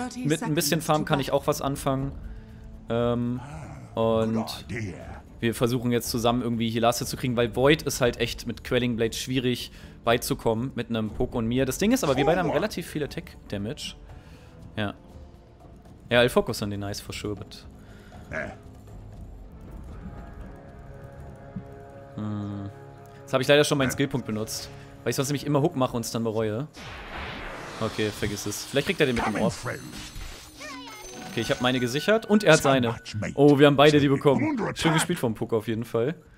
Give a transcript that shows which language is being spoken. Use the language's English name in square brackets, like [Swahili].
[German] Mit ein bisschen Farm kann ich auch was anfangen. Wir versuchen jetzt zusammen irgendwie hier Last zu kriegen, weil Void ist halt echt mit Quelling Blade schwierig beizukommen mit einem Poke und mir. Das Ding ist aber, wir beide haben relativ viel Attack Damage. Ja. [English] Ja, I'll focus on the nice for sure, but. [German] Jetzt habe ich leider schon meinen Skillpunkt benutzt, weil ich sonst nämlich immer Hook mache und es dann bereue. Okay, vergiss es. Vielleicht kriegt er den mit dem Orb. Okay, ich habe meine gesichert und er hat seine. Oh, wir haben beide die bekommen. Schön gespielt vom Puck auf jeden Fall.